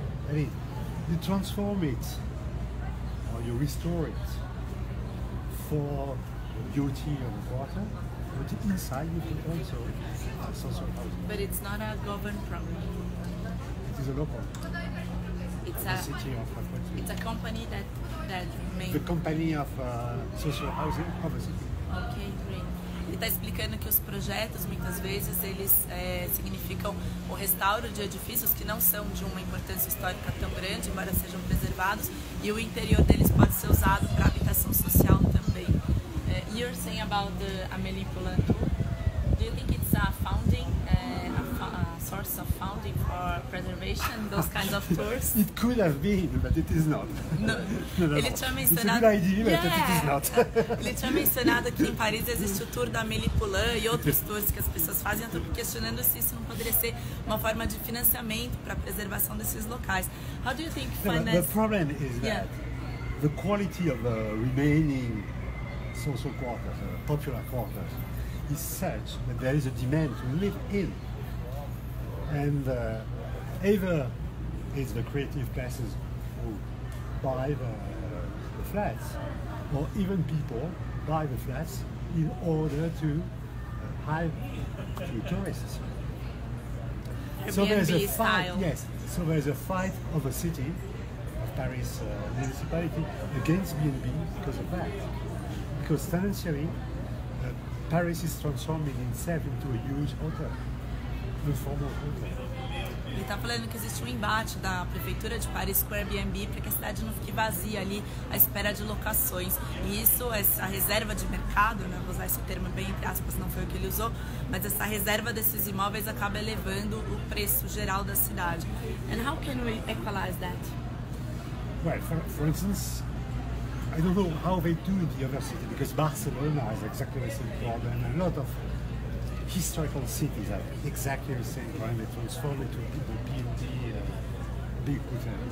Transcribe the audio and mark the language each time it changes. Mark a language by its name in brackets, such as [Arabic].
[English] I mean, you transform it, or you restore it for the beauty of the water, but inside you can also have social housing. But it's not a government problem. It is a local. It's a city of Poitiers. It's a company that made... The company of social housing of the city. Okay, great. [Portuguese] Ele está explicando que os projetos, muitas vezes, eles significam o restauro de edifícios que não são de uma importância histórica tão grande, embora sejam preservados, e o interior deles pode ser usado para habitação social também. [English] You're saying about the Amélie Poulain-Tour. Do you think it's a founding, a source of founding for preservation, those kinds of tours? It could have been, but it is not. [Portuguese] No. Ele tinha mencionado... [English] It's a good idea, but it is not. [Portuguese] Ele tinha mencionado que em Paris existe o tour da Amélie Poulain e outros tours que as pessoas fazem, eu estou questionando se isso não poderia ser uma forma de financiamento para a preservação desses locais. [English] How do you think finance... The problem is that the quality of the remaining social quarters, popular quarters, is such that there is a demand to live in. And either it's the creative classes who buy the flats, or even people buy the flats in order to hire to tourists. So there's a fight, yes. So there's a fight of a city, of Paris municipality, against B&B because of that. Because financially, Paris is transforming itself into a huge hotel. [Portuguese] Ele está falando que existe um embate da prefeitura de Paris com o Airbnb para que a cidade não fique vazia ali à espera de locações. E isso, essa reserva de mercado, né, vou usar esse termo bem entre aspas, não foi o que ele usou, mas essa reserva desses imóveis acaba elevando o preço geral da cidade. [English] And how can we equalize that? Well, for instance, I don't know how they do in the other city, because Barcelona has exactly the same problem, a lot of historical cities are exactly the same problem. They transform into the B&B big hotel.